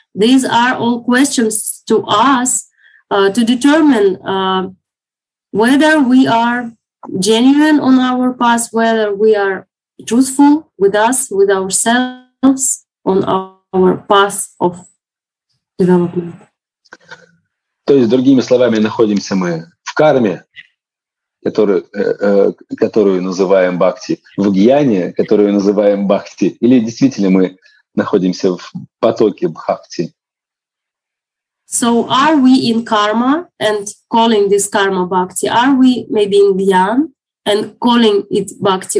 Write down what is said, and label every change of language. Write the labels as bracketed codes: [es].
[en] These are all questions to us to determine whether we are genuine on our path, whether we are truthful with us, with ourselves, on our path of development. [ru] То есть, другими словами, находимся мы в карме, которую называем бхакти, в гьяне, которую называем бхакти, или действительно мы находимся в потоке бхакти? [en] So are we in karma and calling this karma bhakti? Are we maybe in dhyan and calling it bhakti?